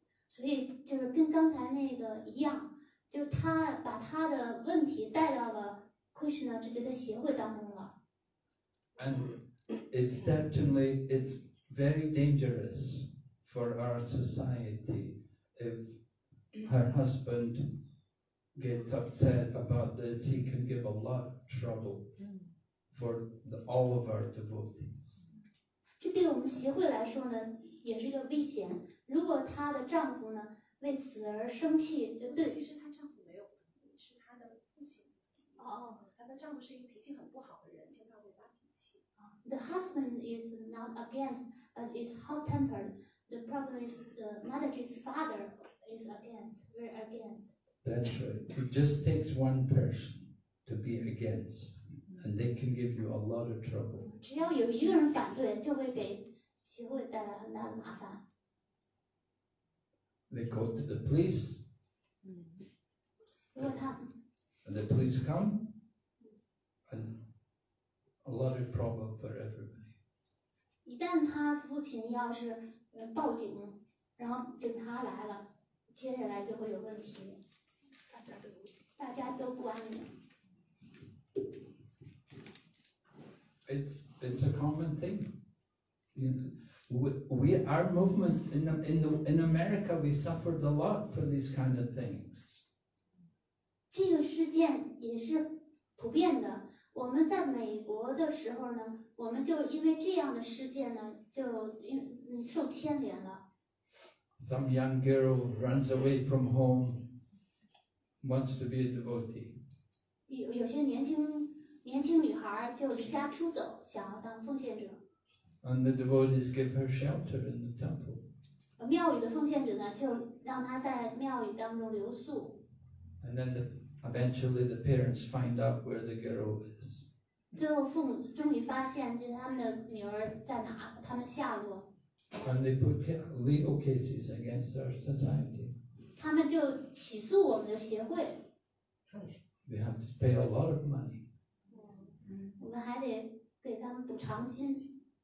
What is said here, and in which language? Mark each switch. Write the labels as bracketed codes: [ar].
[zh] 所以就是跟刚才那个一样，就是他把他的问题带到了 Krishna 这个协会当中了。 [en] And it's definitely it's very dangerous for our society if her husband gets upset about this. He can give a lot of trouble for all of our devotees. [zh] 这对我们协会来说呢，也是一个危险。如果她的丈夫呢为此而生气，对不对？其实她丈夫没有，是她的父亲。她的丈夫是一个脾气很不好的人，经常会发脾气。 [en] The husband is not against, but is hot-tempered. The problem is the mother's father is against, very against. That's right. It just takes one person to be against, and they can give you a lot of trouble. [zh] 只要有一个人反对，就会给协会带来很大的麻烦。 [en] They go to the police. And the police come, and a lot of problem for everybody. [zh] 一旦他父亲要是报警，然后警察来了，接下来就会有问题，大家都不安宁。 [en] It's a common thing. We our movement in America, we suffered a lot for these kind of things. [zh] 这个事件也是普遍的。我们在美国的时候呢，我们就因为这样的事件呢，就受牵连了。 [en] Some young girl runs away from home, wants to be a devotee. [zh] 有些年轻女孩就离家出走，想要当奉献者。 [en] And the devotees give her shelter in the temple. [zh] 庙宇的奉献者呢，就让她在庙宇当中留宿。 [en] And then eventually the parents find out where the girl is. [zh] 最后父母终于发现，就是他们的女儿在哪，他们下落。 [en] And they put legal cases against our society. [zh] 他们就起诉我们的协会。 [en] We have to pay a lot of money. [zh] 我们还得给他们补偿金。